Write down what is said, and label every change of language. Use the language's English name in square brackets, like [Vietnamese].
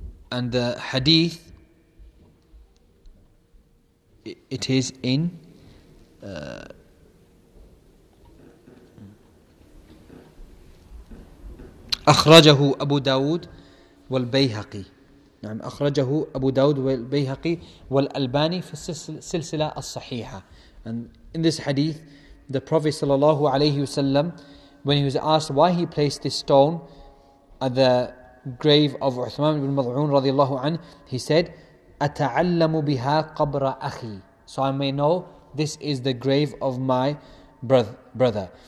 [English] And the hadith, it is in [Arabic] أخرجه أبو داود والبيهقي. نعم أخرجه أبو داود والبيهقي والألباني في السلسلة الصحيحة. [English] And in this hadith, the Prophet [Arabic] صلى الله عليه وسلم, [English] when he was asked why he placed this stone at the grave of Uthman ibn Madhun [Arabic] رضي الله عنه, [English] he said, [Arabic] أتعلم بها قبر أخي. [English] So I may know this is the grave of my brother.